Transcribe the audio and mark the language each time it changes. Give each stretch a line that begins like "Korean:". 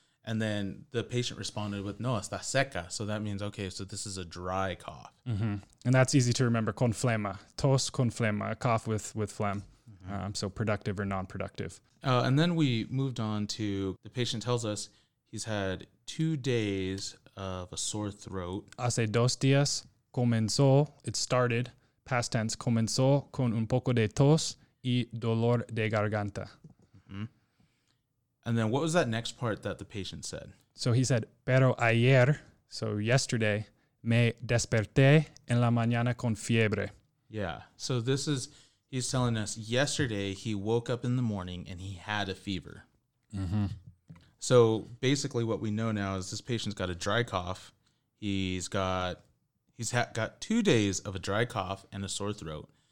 English: And then the patient responded with,
Spanish: no, está seca.
English: So that means, okay, so this is a dry cough. Mm-hmm. And that's easy to remember,
Spanish: con flema. Tos con flema,
English: a cough with phlegm. Mm-hmm. So productive or non-productive. And then we moved on to, the patient tells us he's had 2 days of a sore throat.
Spanish: Hace dos días, comenzó,
English: it started, past tense,
Spanish: comenzó con un poco de tos y dolor de garganta.
English: And then what was that next part that the patient said? So he said,
Spanish: pero ayer,
English: so yesterday,
Spanish: me desperté en la mañana con fiebre.
English: Yeah. So this is, he's telling us yesterday he woke up in the morning and he had a fever. Mm-hmm. So basically what we know now is this patient's got a dry cough. He's got 2 days of a dry cough and a sore throat.